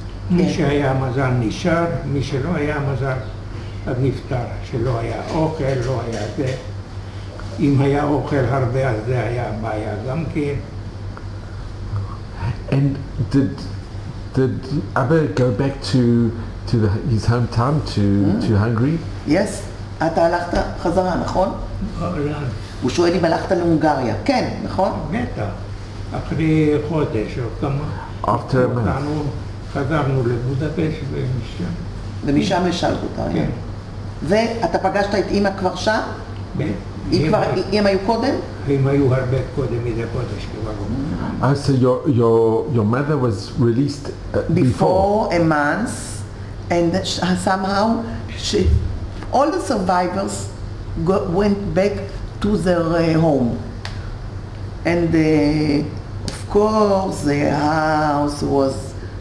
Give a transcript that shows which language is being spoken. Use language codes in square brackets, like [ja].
[he] מי שהיה מזל נשאר, מי שלא היה מזל נפטר, שלא היה אוכל, לא היה זה. אם היה אוכל הרבה, אז זה היה הבעיה גם כן. [en] And did Abba go back to his hometown, to Hungary? [he] Yes, אתה הלכת חזרה, נכון? הוא שואל אם הלכת להונגריה. כן, נכון? בטח. אחרי חודש או כמה... [en] After a month. [he] חזרנו לבודפש ומשם. ומשם השלת אותה. כן. ואתה פגשת את אמא כבר שם? כן. הם היו קודם? הם היו הרבה קודם מדי חודש כבר. [en] So your mother was released before? Before a month. And somehow, all the survivors went back to their home, and of course the house was